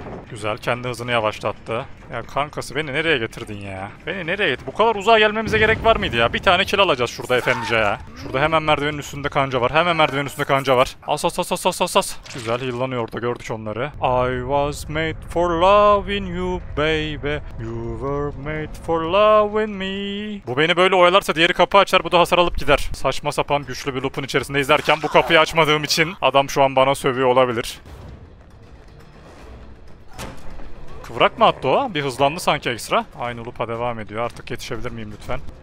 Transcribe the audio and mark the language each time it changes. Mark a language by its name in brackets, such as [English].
[Turkish] Güzel, kendi hızını yavaşlattı. Ya kankası, beni nereye getirdin ya? Beni nereye getirdin? Bu kadar uzağa gelmemize gerek var mıydı ya? Bir tane kill alacağız şurada efendice ya. Şurada hemen merdivenin üstünde kanca var. As as as as as as as. Güzel, healanıyor orada, gördük onları. [English] I was made for loving you baby. You were made for loving me. [Turkish] Bu beni böyle oyalarsa diğeri kapı açar, bu da hasar alıp gider. Saçma sapan güçlü bir loop'un içerisinde izlerken bu kapıyı açmadığım için adam şu an bana sövüyor olabilir. Kıvrak mı attı o? Bir hızlandı sanki ekstra. Aynı loop'a devam ediyor. Artık yetişebilir miyim lütfen?